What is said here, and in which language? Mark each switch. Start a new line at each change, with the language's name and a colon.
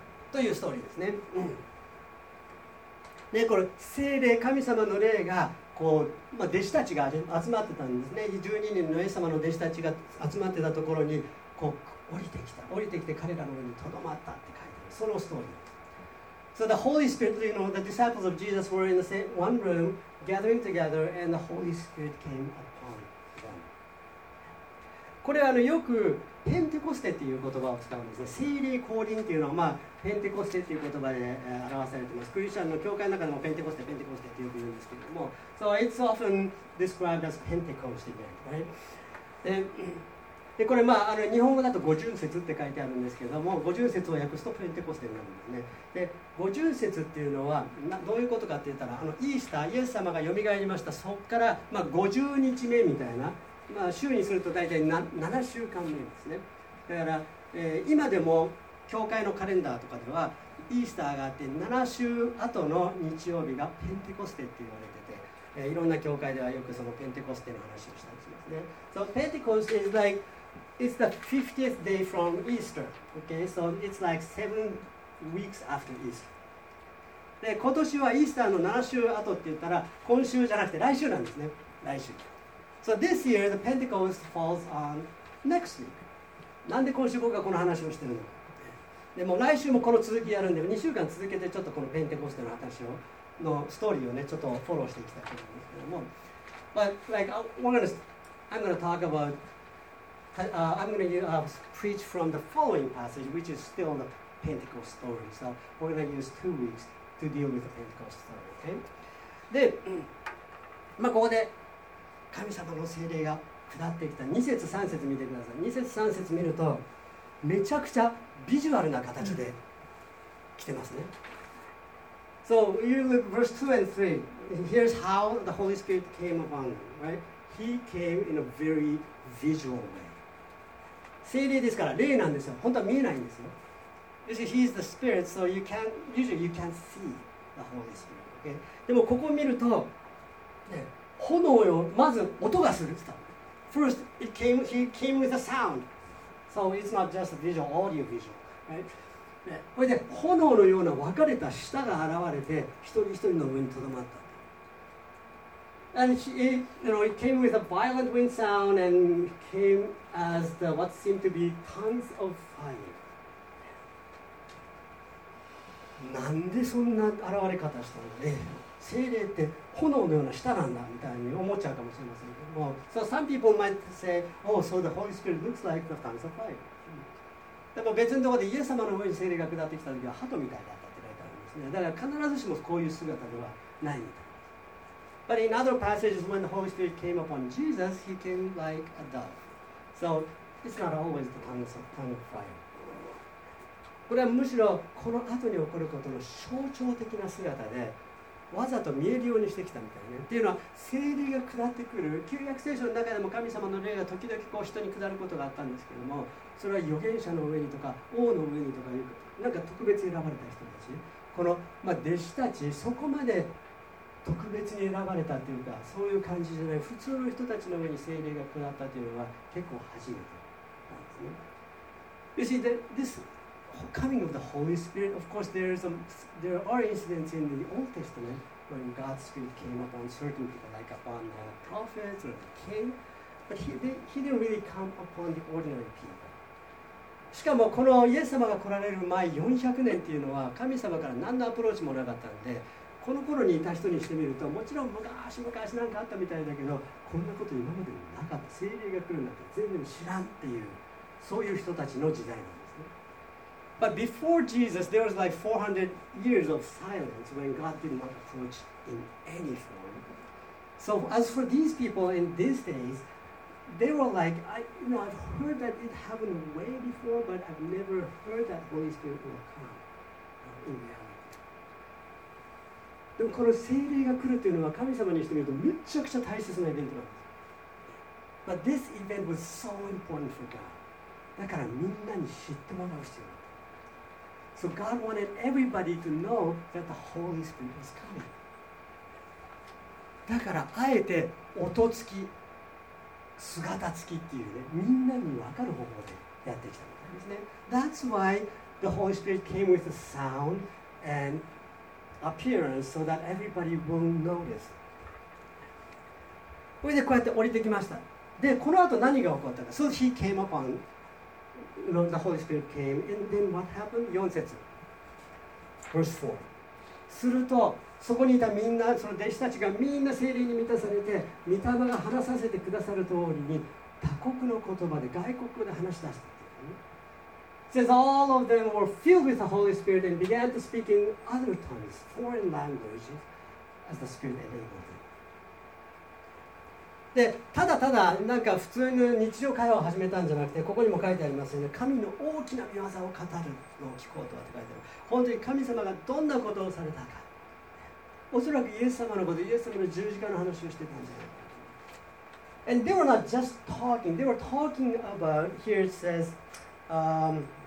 Japanese: というストーリーですね。ね、これ聖霊、神様の霊がこう、まあ、弟子たちが集まってたんですね。 12人のイエス様の弟子たちが集まってたところにこう降りてきた、降りてきて彼らの上にとどまったって書いてある。そのストーリー。
English: So the Holy Spirit, you know, the disciples of Jesus were in the same one room gathering together and the Holy Spirit came upon them.
Japanese: これはよくペンテコステっていう言葉を使うんですね。聖霊降臨っていうのは、まあ、ペンテコステっていう言葉で表されています。クリスチャンの教会の中でもペンテコステ、ペンテコステってよく言うんですけれども。
English: So it's often described as Pentecost event, right?
Japanese: で、これ、まあ、日本語だと五旬節って書いてあるんですけども、五旬節を訳すとペンテコステになるんですね。で、五旬節っていうのは、どういうことかって言ったら、イースター、イエス様が蘇りました、そこから、まあ、50日目みたいな、まあ、週にすると大体7週間目ですね。だから、今でも教会のカレンダーとかではイースターがあって7週後の日曜日がペンテコステって言われてて、いろんな教会ではよくそのペンテコステの話をしたりしますね。
English: So Pentecost is like it's the 50th day from Easter. Okay, so it's like 7 weeks after Easter.
Japanese: で、今年はイースターの7週後って言ったら今週じゃなくて来週なんですね。来週。
English: So this year, the Pentecost falls on next week.
Japanese: なんで今週僕がこの話をしてるのか。でも来週もこの続きやるんで、2週間続けてちょっとこのペンテコステの話を、のストーリーをね、ちょっとフォローしていきたいと思うんですけども。
English: But like, I'm going to preach from the following passage, which is still the Pentecost story. So we're going to use 2 weeks to deal with the Pentecost story, okay?
Japanese: で、まあここで、神様の聖霊が下ってきた。2節3節見てください。2節3節見るとめちゃくちゃビジュアルな形で来てますね。
English: So you look verse 2 and 3. Here's how the Holy Spirit came upon them, right? He came in a very visual way.
Japanese: 聖霊ですから霊なんですよ。本当は見えないんですよ。
English: You see, he's the spirit, so you can't, usually you can't see the Holy Spirit. Okay?
Japanese: でもここを見ると、ね、炎よ、まず音がするって言った。
English: First, it came, he came with a sound. So it's not just a visual, audio visual, right?
Japanese: これで炎のような分かれた舌が現れて一人一人の上にとどまった。
English: And he, you know, it came with a violent wind sound and came as the what seemed to be tongues of fire.
Japanese: なんでそんな現れ方したのね。聖霊って炎のような舌なんだみたいに思っちゃうかもしれませんけども、
English: So some people might say, oh, so the Holy Spirit looks like the tongues of fire.
Japanese: でも別のところでイエス様の上に聖霊が下ってきたときは鳩みたいだったって書いてあるんですね。だから必ずしもこういう姿ではないみたいです。
English: But in other passages, when the Holy Spirit came upon Jesus, he came like a dove. So it's not always the tongue of fire.
Japanese: これはむしろこの後に起こることの象徴的な姿で、わざと見えるようにしてきたみたいね。っていうのは聖霊が下ってくる、旧約聖書の中でも神様の霊が時々こう人に下ることがあったんですけども、それは預言者の上にとか王の上にとかいうなんか特別選ばれた人たち、この、まあ、弟子たち、そこまで特別に選ばれたっていうかそういう感じじゃない、普通の人たちの上に聖霊が下ったというのは結構初めてなんですね。
English: You see, thisComing of the Holy Spirit, of course, there are incidents in the Old Testament when God's Spirit came upon certain people, like upon the prophets or the king, but he didn't really come upon the ordinary people.
Japanese: しかもこのイエス様が来られる前400年っていうのは神様から何のアプローチもなかったんで、この頃にいた人にしてみると、もちろん昔々なんかあったみたいだけど、こんなこと今までなかった、聖霊が来るなんて全然知らんっていう、そういう人たちの時代なんです。
English: But before Jesus, there was like 400 years of silence when God did not approach in any form. So as for these people in these days, they were like, I've heard that it happened way before, but I've never heard that Holy Spirit will come in reality.
Japanese: でもこの聖霊が来るというのは神様にしてみるとめちゃくちゃ大切なイベントなんです。
English: But this event was so important for God.
Japanese: だからみんなに知ってもらう必要。
English: So God wanted everybody to know that the Holy Spirit was coming.
Japanese: だからあえて音付き、姿付きっていうね、みんなに分かる方法でやってきたみたいですね。
English: That's why the Holy Spirit came with a sound and appearance so that everybody will notice.
Japanese: これでこうやって降りてきました。で、この後何が起こったか。
English: So he came upon. The Holy Spirit came, and then what happened?
Japanese: 4節
English: Verse 4.
Japanese: するとそこにいたみんな、その弟子たちがみんな聖霊に満たされて、御霊が話させてくださる通りに他国の言葉で外国語で話し出した。
English: It says all of them were filled with the Holy Spirit and began to speak in other tongues, foreign languages, as the Spirit enabled them.
Japanese: でただただなんか普通の日常会話を始めたんじゃなくて、ここにも書いてありますよね、神の大きな御業を語るのを聞こうとはって書いてある。本当に神様がどんなことをされたか、おそらくイエス様のこと、イエス様の十字架の話をしてたんじゃないか。
English: And they were not just talking, they were talking about, here it says, where was that?